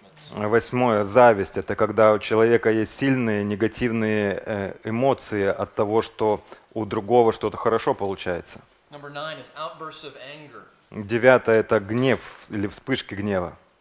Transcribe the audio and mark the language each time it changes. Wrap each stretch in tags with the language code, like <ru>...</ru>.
<ru>Восьмое — зависть. Это когда у человека есть сильные негативные эмоции от того, что у другого что-то хорошо получается.</ru> <en>Number nine is outbursts of anger.</en> <ru>Девятое — это гнев или вспышки гнева.</ru>